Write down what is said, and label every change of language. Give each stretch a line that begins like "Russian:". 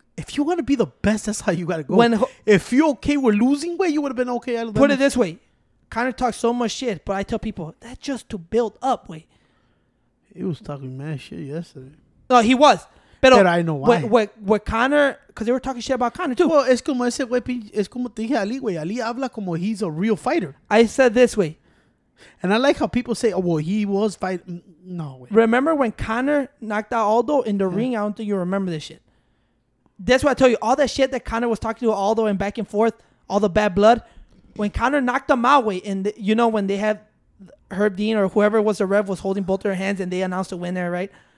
English: If you want to be the best, that's how you got to go. When if you're okay with losing weight, you would have been okay. Put it this way. Conor talks so much shit, but I tell people, that's just to build up, wait. He was talking mad shit yesterday. No, he was. Pero I know why. What Conor, because they were talking shit about Conor too.
Spanish: Well, es como ese güey, es como te dije Ali, güey.
English: Ali
Spanish: habla como
English: he's a real fighter. I said this way. And I like how people say, oh, well, he was fighting. No, wait. Remember when Conor knocked out Aldo in the ring? I don't think you remember this shit. That's why I tell you, all that shit that Conor was talking to Aldo and back and forth, all the bad blood. When Conor knocked him out, wait, and you know when they had Herb Dean or whoever was the ref was holding both their hands and they announced the winner, right?